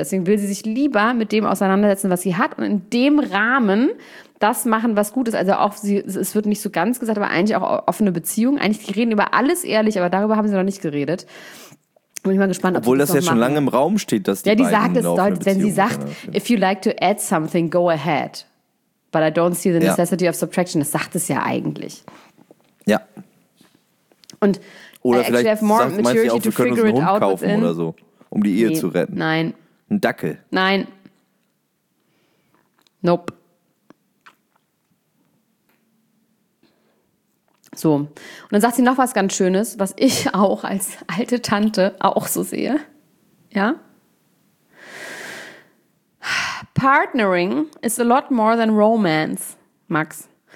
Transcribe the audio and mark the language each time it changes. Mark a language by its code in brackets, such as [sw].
[de] Deswegen will sie sich lieber mit dem auseinandersetzen, was sie hat und in dem Rahmen das machen, was gut ist. Also auch sie, es wird nicht so ganz gesagt, aber eigentlich auch offene Beziehungen. Eigentlich, die reden über alles ehrlich, aber darüber haben sie noch nicht geredet. Bin ich mal gespannt, obwohl das ja schon lange im Raum steht, dass die beiden sagt, das deutlich, wenn sie sagt, [en] if you like to add something, go ahead. But I don't see the necessity of subtraction. [de] Das sagt es ja eigentlich. Ja. Und oder vielleicht [en] have more [de] sagt, maturity auch, [en] to figure it out. [de] Wir können uns einen Hund kaufen oder so, um die Ehe zu retten. Nein. Ein Dackel. Nein. [en] Nope. [de] So, und dann sagt sie noch was ganz Schönes, was ich auch als alte Tante auch so sehe. Ja? [en] Partnering is a lot more than romance, Max.